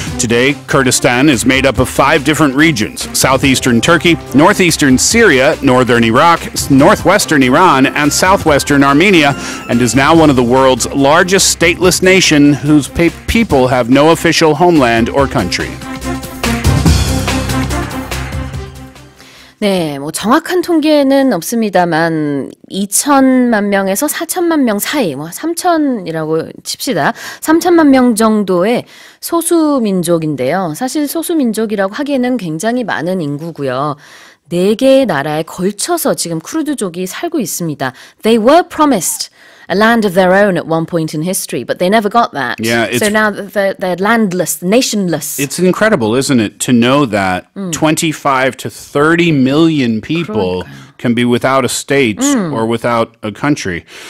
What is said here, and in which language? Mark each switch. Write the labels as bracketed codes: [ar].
[en] Today, Kurdistan is made up of 5 different regions, southeastern Turkey, northeastern Syria, northern Iraq, northwestern Iran, and southwestern Armenia, and is now one of the world's largest stateless nation whose people have no official homeland or country. [ko] 네, 뭐 정확한 통계는 없습니다만 2천만 명에서 4천만 명 사이, 뭐 3천이라고 칩시다. 3천만 명 정도의 소수민족인데요. 사실 소수민족이라고 하기에는 굉장히 많은 인구고요. 4개의 나라에 걸쳐서 지금 쿠르드족이 살고 있습니다. [en] They were promised a land of their own at one point in history, but they never got that. Yeah, so now they're landless, nationless. It's incredible, isn't it, to know that 25 to 30 million people can be without a state or without a country.